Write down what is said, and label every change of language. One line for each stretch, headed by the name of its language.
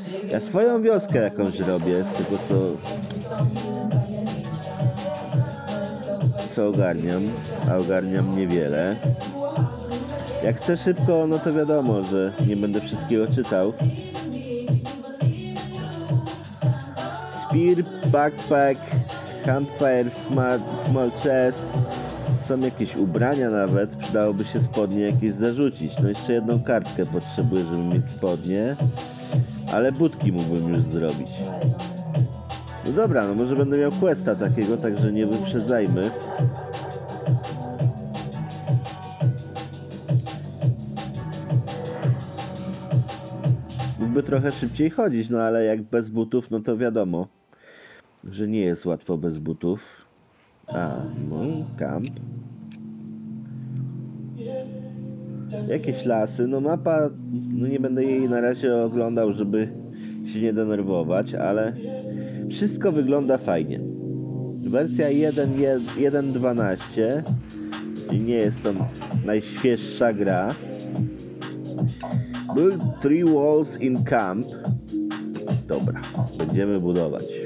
Polish: Ja swoją wioskę jakąś robię, z tego co ogarniam, a ogarniam niewiele. Jak chcę szybko, no to wiadomo, że nie będę wszystkiego czytał.
English: Spear, backpack, campfire, small chest.
Polish: Są jakieś ubrania nawet. Przydałoby się spodnie jakieś zarzucić. No jeszcze jedną kartkę potrzebuję, żeby mieć spodnie. Ale budki mógłbym już zrobić. No dobra, no może będę miał questa takiego, także nie wyprzedzajmy. Mógłby trochę szybciej chodzić, no ale jak bez butów, no to wiadomo, że nie jest łatwo bez butów. A, mój camp. Jakieś lasy, no mapa, no nie będę jej na razie oglądał, żeby się nie denerwować, ale wszystko wygląda fajnie. Wersja 1.1.12, czyli nie jest to najświeższa gra.
English: Build three walls in camp.
Polish: Dobra, będziemy budować.